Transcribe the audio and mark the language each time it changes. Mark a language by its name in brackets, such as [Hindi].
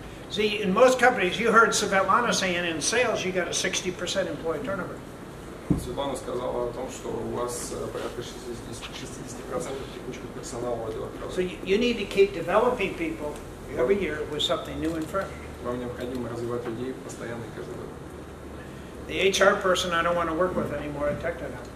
[English] See, in most companies, you heard Svetlana saying in sales, you got a 60% employee turnover. [Russian] Светлана сказала о том, что у вас порядка 60% текучка персонала в отделах. [English] So you need to keep developing people every year with something new and fresh. [Russian] Вам необходимо развивать людей постоянно каждый год. [English] The HR person I don't want to work with anymore at Tekadam.